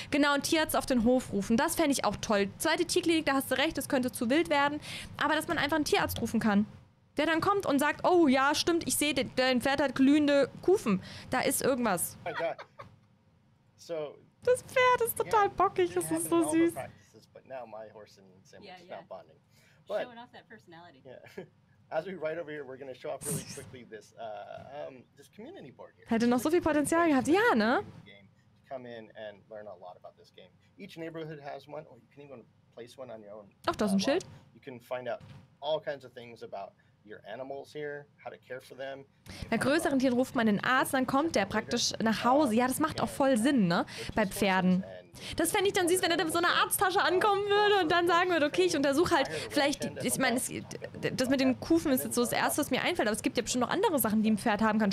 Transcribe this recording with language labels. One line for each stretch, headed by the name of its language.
German: Genau, ein Tierarzt auf den Hof rufen, das fände ich auch toll. Zweite Tierklinik, da hast du recht, das könnte zu wild werden. Aber dass man einfach einen Tierarzt rufen kann, der dann kommt und sagt, oh ja, stimmt, ich sehe, dein Pferd hat glühende Kufen. Da ist irgendwas. So, das Pferd ist total bockig, das ist so süß.
English: But now my horse and Sam are not bonding. But, showing off that personality. Yeah. As we ride over here, we're going to show off really quickly this this community board here.
German: Hätte noch so viel Potenzial gehabt. Ja, ne?
English: Come in and learn a lot about this game. Each neighborhood has one, or you can even place one on your own.
German: Ach, das ist ein Schild.
English: You can find out all kinds of things about your animals here, how to care for them.
German: Bei größeren Tieren ruft man den Arzt, dann kommt der praktisch nach Hause. Ja, das macht auch voll Sinn, ne? Bei Pferden. Das fände ich dann süß, wenn er mit so einer Arzttasche ankommen würde und dann sagen würde, okay, ich untersuche halt vielleicht, ich meine, das mit den Kufen ist jetzt so das Erste, was mir einfällt, aber es gibt ja bestimmt noch andere Sachen, die ein Pferd haben kann.